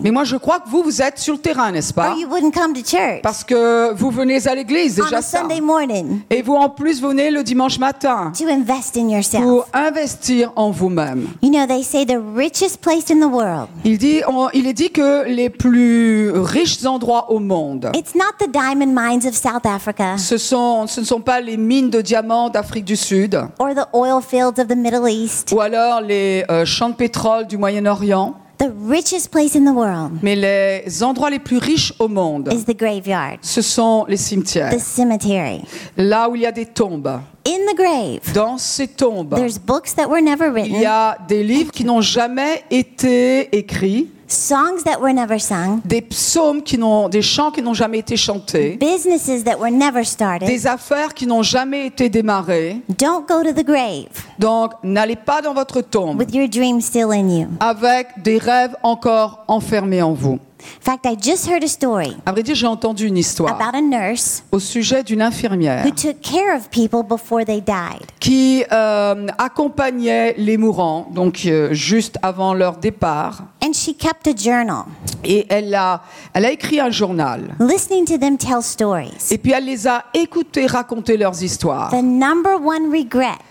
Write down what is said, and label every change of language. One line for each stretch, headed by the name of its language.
French: Mais moi je crois que vous êtes sur le terrain, n'est-ce pas?
English: Or you wouldn't come to church.
French: Parce que vous venez à l'église déjà
English: on a Sunday morning.
French: Et vous en plus venez le dimanche matin.
English: To invest in yourself.
French: Pour investir en vous-même.
English: You know they say the richest place in the world.
French: Il est dit que les plus riches endroits au monde.
English: It's not the diamond mines of South Africa.
French: Ce ne sont pas les mines de diamants d'Afrique du Sud.
English: Or the oil fields of the Middle East.
French: Ou alors les champs de pétrole du Moyen-Orient.
English: The richest place in the world.
French: Mais les endroits les plus riches au monde.
English: Is the graveyard.
French: Ce sont les cimetières.
English: The cemetery.
French: Là où il y a des tombes.
English: In the grave.
French: Dans ces tombes.
English: There's books that were never written.
French: Il y a des livres qui n'ont jamais été écrits.
English: Songs that were never sung.
French: Des psaumes qui n'ont, des chants qui n'ont jamais été chantés.
English: Businesses that were never started.
French: Des affaires qui n'ont jamais été démarrées.
English: Don't go to the grave.
French: Donc, n'allez pas dans votre tombe.
English: With your dreams still in you.
French: Avec des rêves encore enfermés en vous.
English: In fact, I just heard a story.
French: À vrai dire, j'ai entendu une histoire.
English: About a nurse.
French: Au sujet d'une infirmière.
English: Who took care of people before they died.
French: Qui accompagnait les mourants, donc juste avant leur départ.
English: And she kept a journal.
French: Et elle a écrit un journal.
English: Listening to them tell stories.
French: Et puis elle les a écoutés raconter leurs histoires.
English: The number one regret.